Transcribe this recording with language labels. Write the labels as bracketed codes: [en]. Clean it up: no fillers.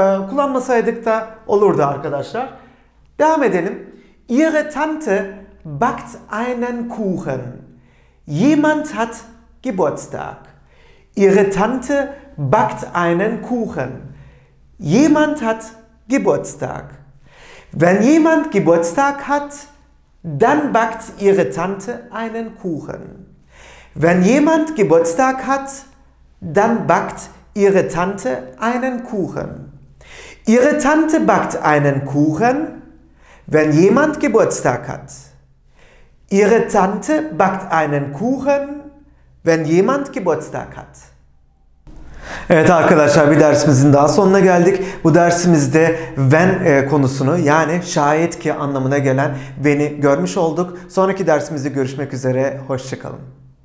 [tr] Kullanmasaydık da olurdu arkadaşlar. Devam edelim. [de] Ihre Tante backt einen Kuchen. Jemand hat Geburtstag. Ihre Tante backt einen Kuchen. Jemand hat Geburtstag. Wenn jemand Geburtstag hat, dann backt ihre Tante einen Kuchen. Wenn jemand Geburtstag hat, dann backt ihre Tante einen Kuchen. Ihre Tante backt einen Kuchen, wenn jemand Geburtstag hat. Ihre Tante backt einen Kuchen, wenn jemand Geburtstag hat. [tr] Evet arkadaşlar, bir dersimizin daha sonuna geldik. Bu dersimizde wenn konusunu, yani şayet ki anlamına gelen wenn'i görmüş olduk. Sonraki dersimizde görüşmek üzere. Hoşça kalın.